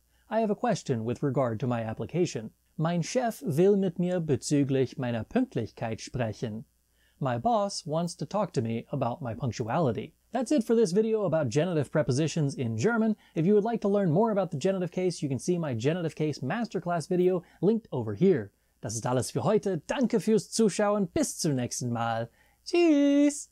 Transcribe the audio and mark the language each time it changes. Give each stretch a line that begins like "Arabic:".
English: I have a question with regard to my application.
German: Mein Chef will mit mir bezüglich meiner Pünktlichkeit sprechen.
English: My boss wants to talk to me about my punctuality. That's it for this video about genitive prepositions in German. If you would like to learn more about the genitive case, you can see my genitive case masterclass video linked over here.
German: Das ist alles für heute. Danke fürs Zuschauen. Bis zum nächsten Mal. Tschüss!